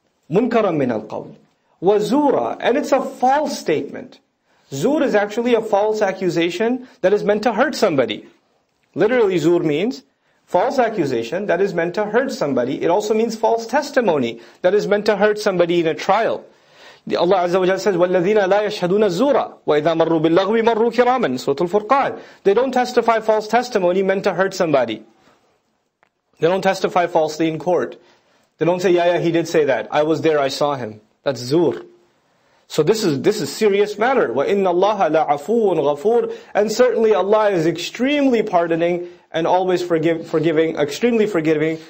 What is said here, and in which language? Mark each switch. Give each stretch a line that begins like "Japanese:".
Arabic: Munkaram min al-qawl. Wazura.
English: And it's a false statement. Zur is actually a false accusation that is meant to hurt somebody. Literally, zur means false accusation that is meant to hurt somebody. It also means false testimony that is meant to hurt somebody in a trial. Allah Azza wa Jalla says,
Arabic: وَالَّذِينَ لَا يَشْهَدُونَ الزُّورَ وَإِذَا مَرُّوا بِاللَّغْوِ مَرُّوا كِرَامًا.
English: Surah Al-Furqan. They don't testify false testimony meant to hurt somebody. They don't testify falsely in court. They don't say, yeah, he did say that. I was there, I saw him. That's zur. So this is serious matter.
Arabic: وَإِنَّ اللَّهَ لَعَفُوٌ غَفُورٌ.
English: And certainly Allah is extremely pardoning and always forgiving, extremely forgiving.